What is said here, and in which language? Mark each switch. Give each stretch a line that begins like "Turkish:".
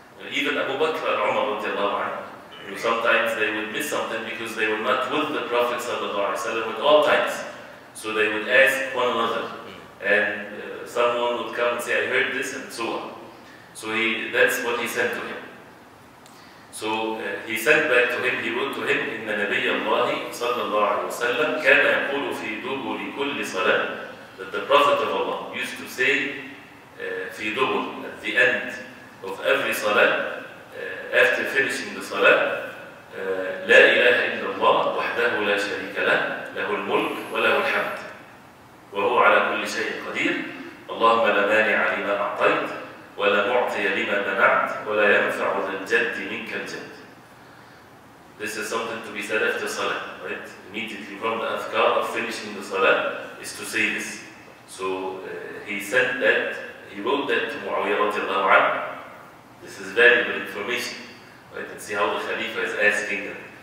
English: Even Abu Bakr and Umar radiallahu anhu, sometimes they would miss something because they were not with the Prophet ﷺ at all times. So they would ask one another. And someone would come and say, I heard this and so on. So that's what he sent to him.
Arabic: So he sent back to him, he wrote to him, إن نبي الله صلى الله عليه وسلم كان يقول في دبر كل صلاة that the Prophet of Allah used to say في دبر at the end of every صلاة after finishing the صلاة لا إله إلا الله وحده لا شريك له له الملك وله الحمد الشيء القدير اللهم لا مانع لما أعطيت ولا معطي لما منعت ولا ينفع ذا الجد منك الجد.
English: This is something to be said after salah, right? Immediately from the adhkar of finishing the salah is to say this. So he said that, he wrote that to Muawiyah radiallahu anhu. This is valuable information, right? And see how the Khalifa is asking them.